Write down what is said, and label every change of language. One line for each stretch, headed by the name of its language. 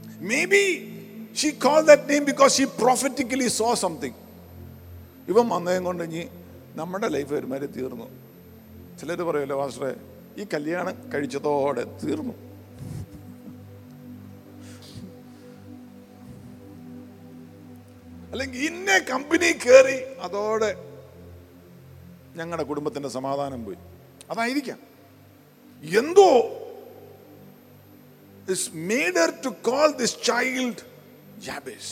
English: Maybe she called that name because she prophetically saw something.
Malayalam: ഇവൻ വന്നതും കൊണ്ട് ഇനി നമ്മുടെ ലൈഫ് ഒരുമാതിരി തീർന്നു. ചിലർ പറയുമല്ലോ, പാസ്റ്ററെ ഈ കല്യാണം കഴിച്ചതോടെ തീർന്നു. അല്ലെങ്കിൽ ഇന്ന കമ്പനി കയറി, അതോടെ ഞങ്ങളുടെ കുടുംബത്തിൻ്റെ സമാധാനം പോയി. അതായിരിക്കാം.
English: എന്തോ is made her to call this child Jabez.